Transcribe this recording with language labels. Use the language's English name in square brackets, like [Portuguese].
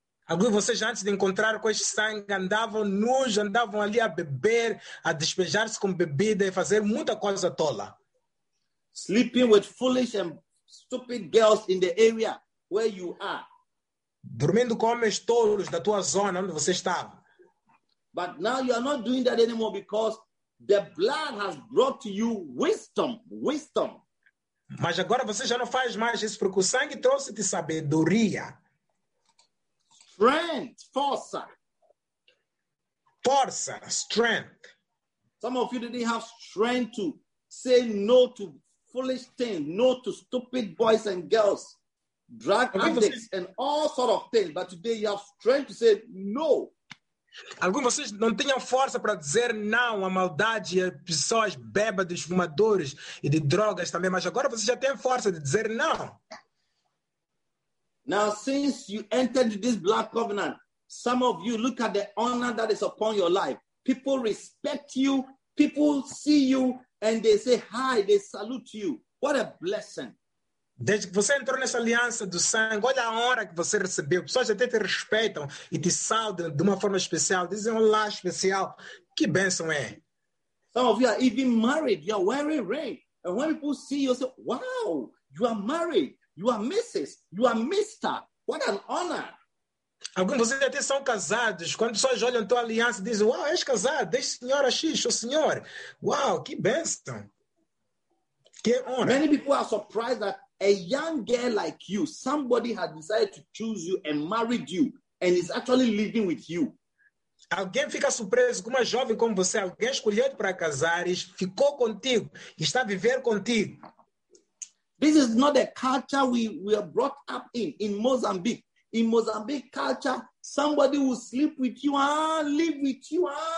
[Portuguese] Agora vocês, antes de encontrar com esse sangue, andavam nus, andavam ali a beber, a despejar-se com bebida e fazer muita coisa tola. [English] Sleeping with foolish and stupid girls in the area where you are. [Portuguese] Dormindo com homens tolos da tua zona onde você estava. [English] But now you are not doing that anymore because the blood has brought to you wisdom, wisdom. [Portuguese] Mas agora você já não faz mais isso porque o sangue trouxe-te sabedoria. [English] Strength, força. [Portuguese] Força, strength. [English] Some of you didn't have strength to say no to foolish things, no to stupid boys and girls, drug addicts, and all sort of things. But today you have strength to say no. [Portuguese] Alguns de vocês não tinham força para dizer não à maldade e às pessoas bêbadas, fumadores e de drogas também, mas agora vocês já têm força de dizer não. [English] Now, since you entered this blood covenant, some of you look at the honor that is upon your life. People respect you, people see you, and they say hi, they salute you. What a blessing. [Portuguese] Desde que você entrou nessa aliança do sangue, olha a honra que você recebeu. Pessoas até te respeitam e te saudam de uma forma especial. Dizem um olá especial. Que bênção é. [English] Some of you are even married. You are wearing ring. And when people see you, say, wow, you are married. You are Mrs. You are Mr. What an honor. [Portuguese] Alguns de vocês até são casados. Quando pessoas olham tua aliança, dizem, uau, és casado. Deixe senhora X, o senhor. Uau, que bênção. Que honra. [English] Many people are surprised that a young girl like you, somebody has decided to choose you and married you and is actually living with you. [Portuguese] Alguém fica surpreso com uma jovem como você, alguém escolheu para casar e ficou contigo, está a viver contigo. [English] This is not a culture we are brought up in Mozambique. In Mozambique culture, somebody will sleep with you, live with you.